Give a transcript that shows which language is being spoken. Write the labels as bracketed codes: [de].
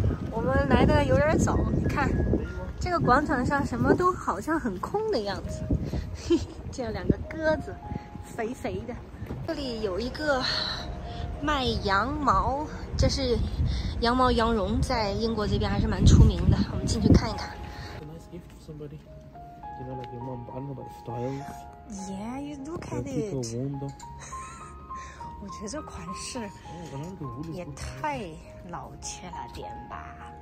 [zh] 我们来的有点早，你看这个广场上什么都好像很空的样子。这样两个鸽子肥肥的，这里有一个卖羊毛，这是羊毛羊绒，在英国这边还是蛮出名的。我们进去看一看。 [en] You know, like your mom, but I don't know about the styles. Yeah, you look at it. It's so warm, though. [zh] 我觉得这款式也太老气了点吧。